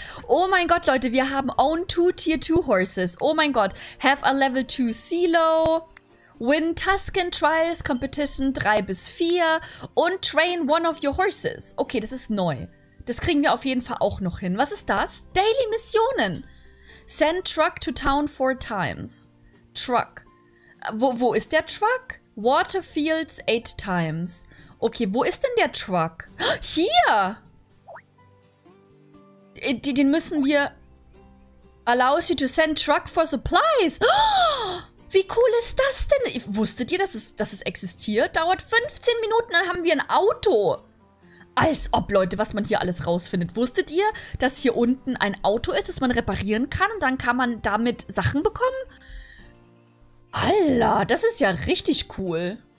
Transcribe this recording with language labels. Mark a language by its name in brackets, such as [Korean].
[German] Oh mein Gott, Leute, wir haben [English] Own 2 Tier 2 Horses. [German] Oh mein Gott, [English] Have a Level 2 Silo. Win Tuscan Trials Competition 3 [German] bis 4 und [English] train one of your horses. [German] Okay, das ist neu. Das kriegen wir auf jeden Fall auch noch hin. Was ist das? Daily Missionen. [English] Send truck to town 4 times. [German] Truck. Wo ist der Truck? [English] Water fields 8 times. [German] Okay, wo ist denn der Truck? Hier! Den müssen wir... [English] Allows you to send truck for supplies. [German] Wie cool ist das denn? Wusstet ihr, dass es existiert? Dauert 15 Minuten, dann haben wir ein Auto. Als ob, Leute, was man hier alles rausfindet. Wusstet ihr, dass hier unten ein Auto ist, das man reparieren kann? Und dann kann man damit Sachen bekommen? Allah, das ist ja richtig cool.